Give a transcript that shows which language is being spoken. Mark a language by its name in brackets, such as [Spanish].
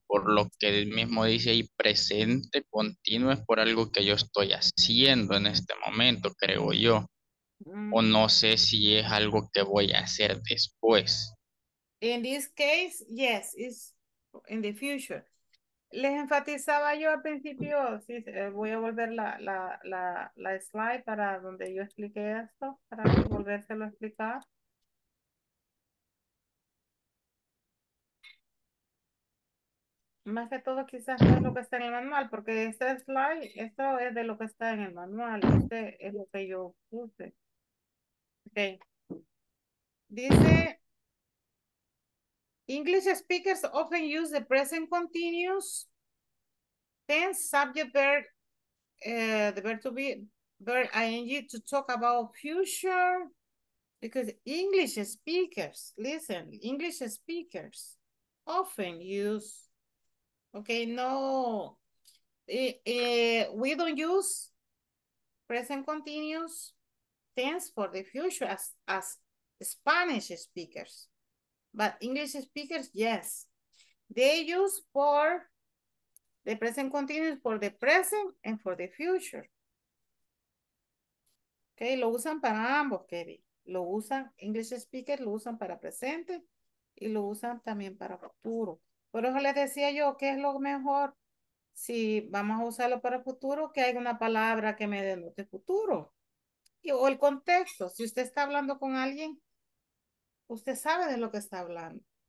[Spanish] Por lo que él mismo dice ahí, presente, continuo, es por algo que yo estoy haciendo en este momento, creo yo. O no sé si es algo que voy a hacer después. [English] In this case, yes, it's in the future. [Spanish] Les enfatizaba yo al principio, sí, voy a volver la slide para donde yo expliqué esto, para volvérselo a explicar. Más que todo quizás no es lo que está en el manual, porque este slide, esto es de lo que está en el manual. Este es lo que yo puse. Ok. [English] Dice, English speakers often use the present continuous tense subject verb, the verb to be, verb ing, to talk about future. Because English speakers, listen, English speakers often use. Okay, no, we don't use present continuous tense for the future as Spanish speakers, but English speakers, yes. They use for the present continuous for the present and for the future. [Spanish] Okay, lo usan para ambos, Kevin. Lo usan, [English] English speakers [Spanish] lo usan para presente y lo usan también para futuro. Por eso les decía yo, ¿qué es lo mejor? Si vamos a usarlo para futuro, que hay una palabra que me denote futuro. Y, o el contexto. Si usted está hablando con alguien, usted sabe de lo que está hablando.